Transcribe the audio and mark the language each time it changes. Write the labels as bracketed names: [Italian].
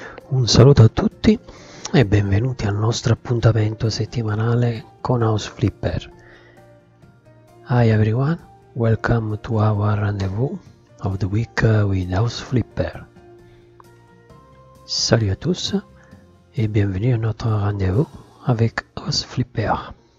[Italian] Un saluto a tutti e benvenuti al nostro appuntamento settimanale con House Flipper. [English] Hi everyone, welcome to our rendezvous of the week with House Flipper. [French] Salut à tous et bienvenue à notre rendezvous avec House Flipper.